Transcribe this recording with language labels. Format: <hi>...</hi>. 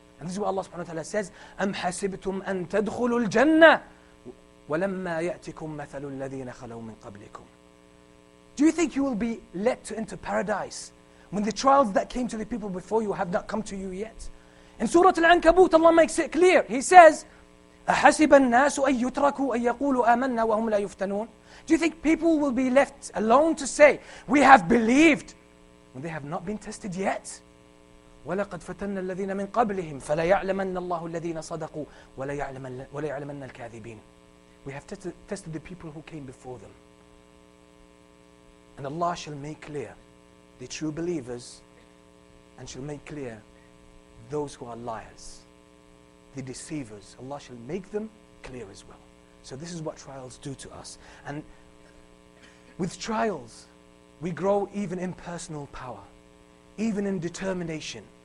<en>And this is what Allah subhanahu wa ta'ala says,</en> <ar>أَمْ حَسِبْتُمْ أَن تَدْخُلُوا الْجَنَّةِ وَلَمَّا يَأْتِكُمْ مَثَلُ الَّذِينَ خَلَوْا مِن قَبْلِكُمْ.</ar> <en>Do you think you will be let to enter paradise when the trials that came to the people before you have not come to you yet? In Surah Al-Ankabut, Allah makes it clear. He says,</en> <ar>أَحَسِبَ النَّاسُ أَن يُتْرَكُوا أَن يَقُولُوا آمَنَّا وَهُمْ لَا يُفْتَنُونَ.</ar> <en>Do you think people will be left alone to say, we have believed, when they have not been tested yet?</en> <ar>وَلَقَدْ فَتَنَّ الَّذِينَ مِنْ قَبْلِهِمْ فَلَيَعْلَمَنَّ اللَّهُ الَّذِينَ صَدَقُوا وَلَيَعْلَمَنَّ الْكَاذِبِينَ.</ar> <en>We have tested the people who came before them. And Allah shall make clear the true believers and shall make clear those who are liars, the deceivers. Allah shall make them clear as well. So this is what trials do to us. And with trials, we grow even in personal power, even in determination.</en>